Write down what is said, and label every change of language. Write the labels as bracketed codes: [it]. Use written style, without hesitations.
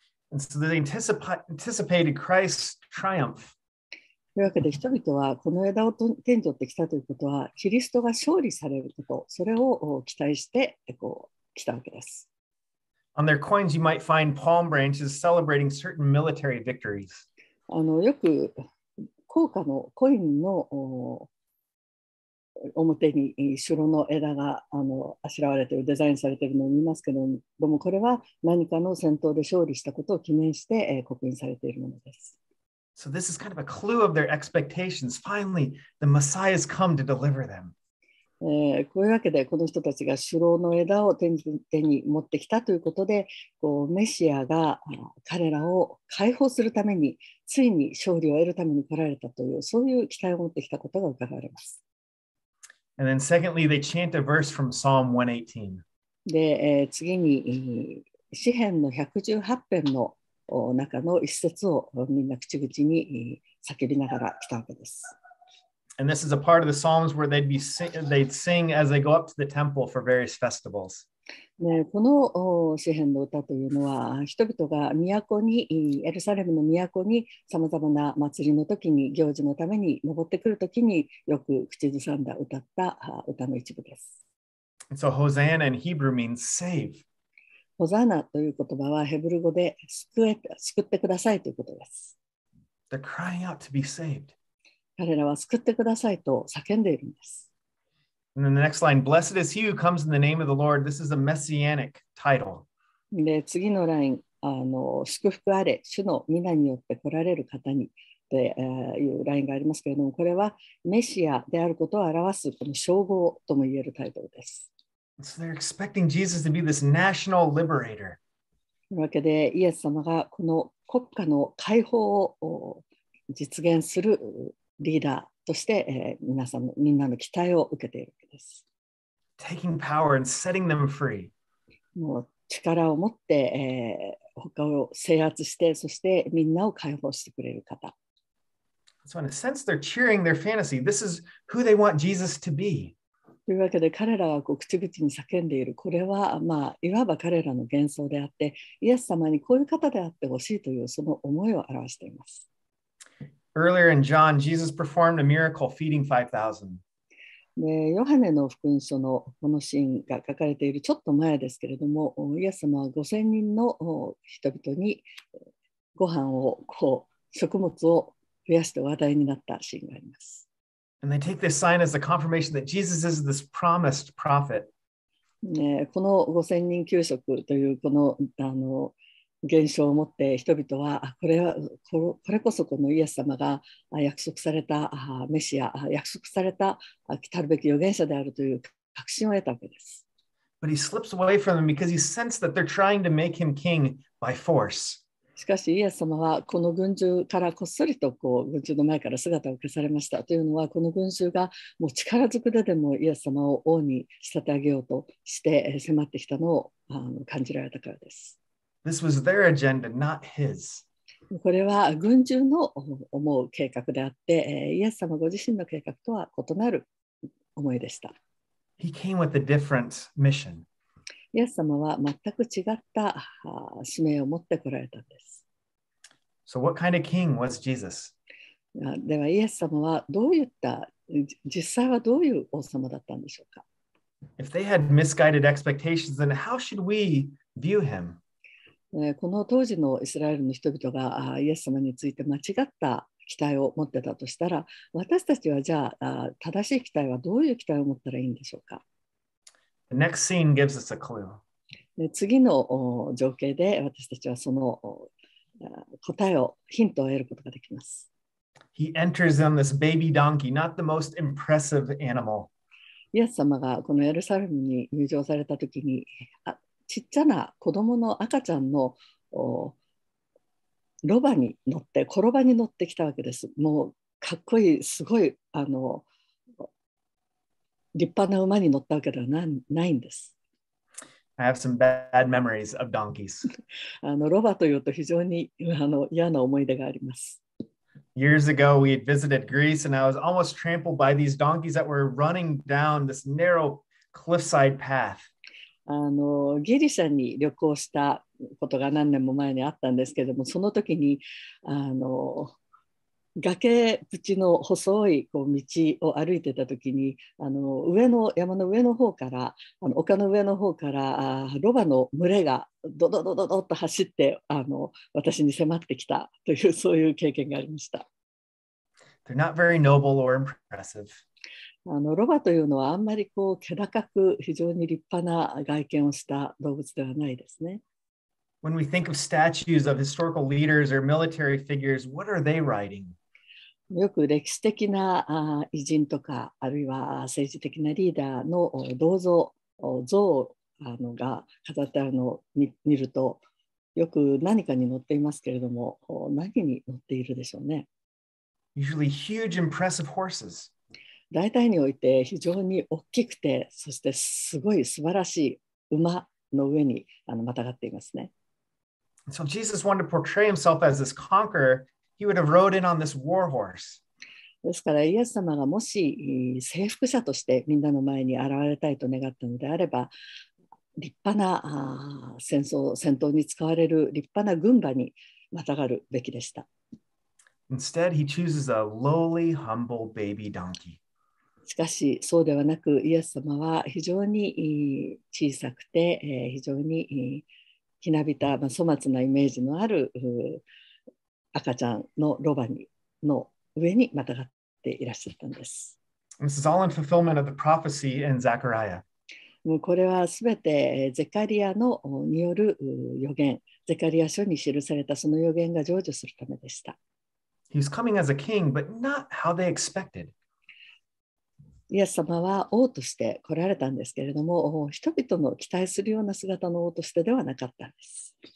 [en] And so they anticipated Christ's triumph. [ja] というわけで人々はこの枝を手に取ってきたということは、キリストが勝利されること、それを期待してこう来たわけです。 [en] On their coins, you might find palm branches celebrating certain military victories. [ja] よく硬貨のコインの表に白の枝があしらわれているデザインされているのを見ますけども、これは何かの戦闘で勝利したことを記念して刻印されているものです。 [en] So this is kind of a clue of their expectations. Finally, the Messiah has come to deliver them. [ja] こういうわけで、この人たちが主の枝を手に持ってきたということで、こうメシアが彼らを解放するために、ついに勝利を得るために来られたという、そういう期待を持ってきたことが伺われます。 [en] And then secondly, they chant a verse from Psalm 118. [ja] で、次に、詩編の118編の中の一節をみんな口々に叫びながら来たわけです。 [en] And this is a part of the Psalms where they'd sing as they go up to the temple for various festivals. [ja] ね、この詩編の歌というのは、人々が都に、エルサレムの都に様々な祭りの時に、行事のために登ってくる時によく口ずさんだ歌った歌の一部です。 [en] And so Hosanna in Hebrew means save. [ja] ホザナという言葉はヘブル語で救ってくださいということです。 [en] They're crying out to be saved. [ja] 彼らは救ってくださいと叫んでいるんです。 [en] And then the next line, Blessed is he who comes in the name of the Lord. This is a messianic title. [ja] で、次のライン、祝福あれ、主の御名によって来られる方にというラインがありますけれども、これはメシアであることを表すこの称号とも言えるタイトルです。 [en] So they're expecting Jesus to be this national liberator. [ja] というわけで、イエス様がこの国家の解放を実現するリーダーとして、みんなの期待を受けているわけです。 [en] Taking power and setting them free. [ja] もう力を持って、他を制圧して、そしてみんなを解放してくれる方。 [en] So in a sense, they're cheering their fantasy. This is who they want Jesus to be. [ja] というわけで彼らはこう口々に叫んでいる。これはまあいわば彼らの幻想であって、イエス様にこういう方であってほしいというその思いを表しています。 [en] Earlier in John, Jesus performed a miracle feeding 5,000. [ja] でヨハネの福音書のこのシーンが書かれているちょっと前ですけれども、イエス様は5000人の人々にご飯をこう食物を増やして話題になったシーンがあります。 [en] And they take this sign as a confirmation that Jesus is this promised prophet. [ja] この5000人給食というこの現象をもって人々は、これこそこのイエス様が約束されたメシア、約束された来たるべき預言者であるという確信を得たわけです。 [en] But he slips away from them because he senses that they're trying to make him king by force. [ja] しかしイエス様はこの群衆からこっそりとこう群衆の前から姿を消されました。というのはこの群衆がもう力ずくででもイエス様を王に仕立て上げようとして迫ってきたのを感じられたからです。 [en] This was their agenda, not his. [ja] これは群衆の思う計画であって、イエス様ご自身の計画とは異なる思いでした。 [en] He came with a different mission. [ja] イエス様は全く違った使命を持ってこられたんです。 [en] So what kind of king was Jesus? [ja] ではイエス様はどういった、実際はどういう王様だったんでしょうか? [en] If they had misguided expectations, then how should we view him? [ja] この当時のイスラエルの人々がイエス様について間違った期待を持ってたとしたら、私たちはじゃあ正しい期待はどういう期待を持ったらいいんでしょうか。 [en] The next scene gives us a clue. [ja] 次の情景で私たちはその答えを、ヒントを得ることができます。 [en] He enters on this baby donkey, not the most impressive animal. [ja] イエス様がこのエルサレムに入場されたときに、ちっちゃな子供の赤ちゃんのロバに乗って、コロバに乗ってきたわけです。もうかっこいい、すごい立派な馬に乗ったわけではないんです。 [en] I have some bad memories of donkeys. [ja] ロバというと非常に嫌な思い出があります。 [en] Years ago, we had visited Greece and I was almost trampled by these donkeys that were running down this narrow cliffside path. [ja] ギリシャに旅行したことが何年も前にあったんですけれども、その時に崖縁の細いこう道を歩いてた時に山の上の方から丘の上の方からロバの群れがドドドドドと走って私に迫ってきたというそういう経験がありました。 [en] They're not very noble or impressive. [ja] ロバというのはあんまりこう気高く非常に立派な外見をした動物ではないですね。 [en] When we think of statues of historical leaders or military figures, what are they riding? [ja] よく歴史的な偉人とかあるいは政治的なリーダーの銅像、像が飾ってあるのを見るとよく何かに乗っていますけれども、何に乗っているでしょうね。 [en] Usually huge impressive horses. [ja] 大体において非常に大きくて、そしてすごい素晴らしい馬の上にまたがっていますね。 [en] So Jesus wanted to portray himself as this conqueror, he would have rode in on this war horse. [ja] ですからイエス様がもし征服者としてみんなの前に現れたいと願ったのであれば、立派な戦闘に使われる立派な軍馬にまたがるべきでした。 [en] Instead, he chooses a lowly, humble baby donkey. [ja] しかしそうではなく、イエス様は非常に小さくて、非常にひなびた、まあ、粗末なイメージのある赤ちゃんのロバの上にまたがっていらっしゃったんです。 [en] This is all in fulfillment of the prophecy in Zechariah. [ja] もうこれはすべてゼカリアのによる予言、ゼカリア書に記されたその予言が成就するためでした。 [en] He was coming as a king, but not how they expected. [ja] イエス様は王として来られたんですけれども、人々の期待するような姿の王としてではなかったんです。